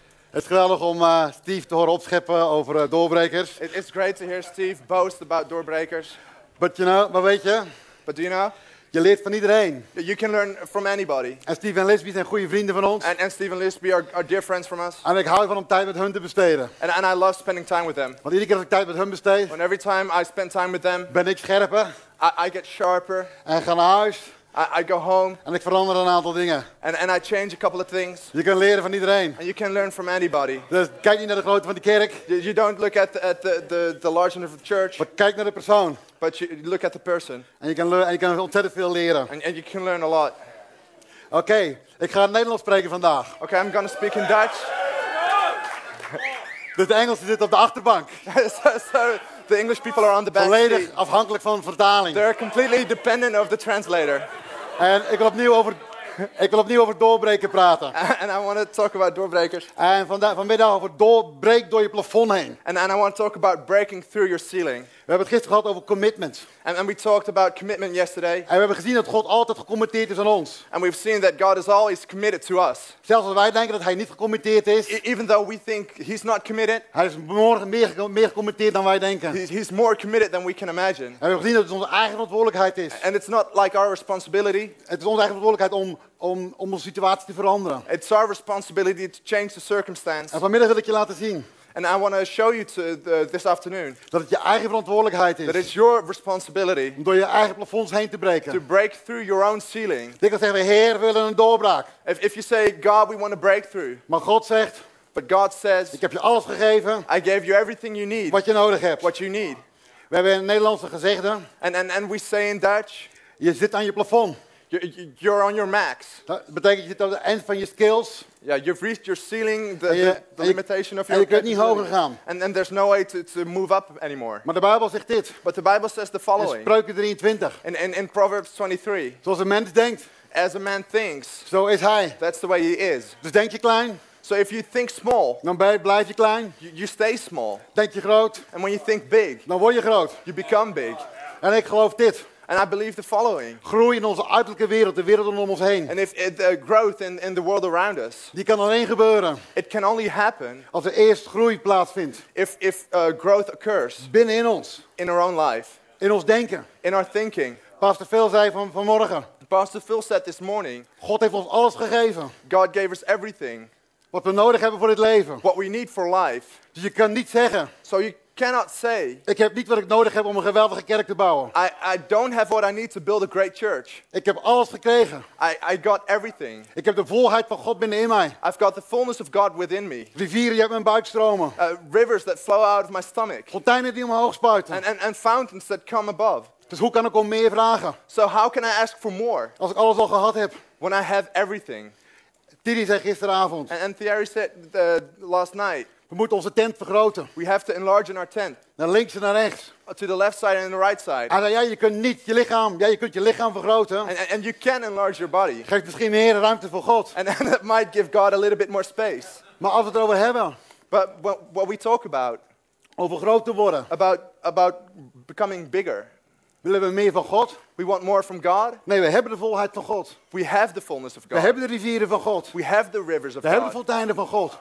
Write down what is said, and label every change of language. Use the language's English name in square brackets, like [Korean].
[Dutch] Het is geweldig om Steve te horen opscheppen over doorbrekers. [English] It's great to hear Steve boast about doorbrekers. But you know, [Dutch] maar weet je? [English] But do you know? [Dutch] Je leert van iedereen. [English] You can learn from anybody. [Dutch] En Steve en Lisby zijn goede vrienden van ons. [English] And Steve and Lisby are dear friends from us. [Dutch] En ik hou van om tijd met hun te besteden. [English] And I love spending time with them. [Dutch] Want iedere keer als ik tijd met hun besteed, [English] when every time I spend time with them, [Dutch] ben ik scherper. [English] I get sharper. [Dutch] En ga naar huis. [English] I go home. [Dutch] En ik verander een aantal dingen. [English] And I change a couple of things. [Dutch] Je kunt leren van iedereen. [English] And you can learn from anybody. [Dutch] Dus kijk niet naar de grootte van de kerk. [English] You don't look at the largeness of the church. [Dutch] Maar kijk naar de persoon. [English] But you look at the person. [Dutch] En je kan ontzettend veel leren. [English] And you can learn a lot. [Dutch] Oké, ik ga Nederlands spreken vandaag. [English] Okay, I'm gonna speak in Dutch. [Dutch] Dus de Engelsen zitten op de achterbank. [English] So the English people are on the back. [Dutch] Volledig afhankelijk van vertaling. [English] They're completely dependent of the translator. [Dutch] En ik wil opnieuw over doorbreken praten. [English] And I want to talk about doorbrekers. [Dutch] En vanmiddag over doorbreek door je plafond heen. [English] And I want to talk about breaking through your ceiling. [Dutch] We hebben het gisteren gehad over commitment. [English] And we talked about commitment yesterday. [Dutch] En we hebben gezien dat God altijd gecommitteerd is aan ons. [English] And we've seen that God is always committed to us. [Dutch] Zelfs als wij denken dat hij niet gecommitteerd is. [English] Even though we think he's not committed. [Dutch] Hij is meer gecommitteerd dan wij denken. [English] He's more committed than we can imagine. [Dutch] En we hebben gezien dat het onze eigen verantwoordelijkheid is. [English] And it's not like our responsibility. [Dutch] Het is onze eigen verantwoordelijkheid om onze situatie te veranderen. [English] It's our responsibility to change the circumstance. [Dutch] En vanmiddag wil ik je laten zien. [English] And I want to show you this afternoon [Dutch] dat het je eigen verantwoordelijkheid is. [English] That it's your responsibility [Dutch] om door je eigen plafonds heen te breken. [English] To break through your own ceiling. [Dutch] Ik wil zeggen, Heer, we willen een doorbraak. [English] If you say, God, we want a breakthrough. [Dutch] Maar God zegt, [English] but God says, [Dutch] ik heb je alles gegeven. [English] I gave you everything you need. [Dutch] Wat je nodig hebt. [English] What you need. [Dutch] We hebben een Nederlandse gezegde. [English] And we say in Dutch, [Dutch] je zit aan je plafond. [English] You're on your max. [Dutch] Dat betekent je zit aan het eind van je skills. [English] Yeah, you've reached your ceiling, the limitation of your. [Dutch] En je kunt niet hoger gaan. [English] And there's no way to move up anymore. [Dutch] Maar de Bijbel zegt dit. [English] But the Bible says the following. [Dutch] In Spreuken 23. [English] In Proverbs 23. [Dutch] Zoals een mens denkt. [English] As a man thinks. [Dutch] Zo is hij. [English] That's the way he is. [Dutch] Dus denk je klein. [English] So if you think small. [Dutch] Dan blijf je klein. [English] You stay small. [Dutch] Denk je groot. [English] And when you think big. [Dutch] Dan word je groot. [English] You become big. [Dutch] En ik geloof dit. [English] And I believe the following. [Dutch] Groei in onze uiterlijke wereld, de wereld om ons heen. [English] And if the growth in the world around us. [Dutch] Die kan alleen gebeuren. [English] It can only happen. [Dutch] Als er eerst groei plaatsvindt. [English] If growth occurs. [Dutch] Binnenin ons. [English] In our own life. [Dutch] In ons denken. [English] In our thinking. [Dutch] Pastor Phil zei vanmorgen. [English] Pastor Phil said this morning. [Dutch] God heeft ons alles gegeven. [English] God gave us everything. [Dutch] Wat we nodig hebben voor dit leven. [English] What we need for life. [Dutch] Dus je kan niet zeggen. [English] So you cannot say. [Dutch] Ik heb niet wat ik nodig heb om een geweldige kerk te bouwen. [English] I don't have what I need to build a great church. [Dutch] Ik heb alles gekregen. [English] I got everything. [Dutch] Ik heb de volheid van God binnenin mij. [English] I've got the fullness of God within me. [Dutch] Rivieren die uit mijn buik stromen. [English] Rivers that flow out of my stomach. [Dutch] Fonteinen die omhoog spuiten. [English] And fountains that come above. [Dutch] Dus hoe kan ik om meer vragen? [English] So how can I ask for more? [Dutch] Als ik alles al gehad heb. [English] When I have everything. [Dutch] Thierry zei gisteravond. [English] And Thierry said last night. [Dutch] We moeten onze tent vergroten. [English] We have to enlarge in our tent. [Dutch] Naar links en naar rechts. [English] To the left side and the right side. [Dutch] Hij zei, ja, je kunt niet je lichaam. Ja, je kunt je lichaam vergroten. [English] And you can enlarge your body. [Dutch] Geef misschien meer ruimte voor God. [English] And that might give God a little bit more space. [Dutch] Maar als we het erover hebben. [English] But what we talk about, [Dutch] over groot te worden, [English] about becoming bigger. [Dutch] Willen we meer van God? [English] We want more from God? [Dutch] Nee, we hebben de volheid van God. [English] We have the fullness of God. [Dutch] We hebben de rivieren van God. [English] We have the rivers of [Dutch] God. We hebben de fonteinen van God.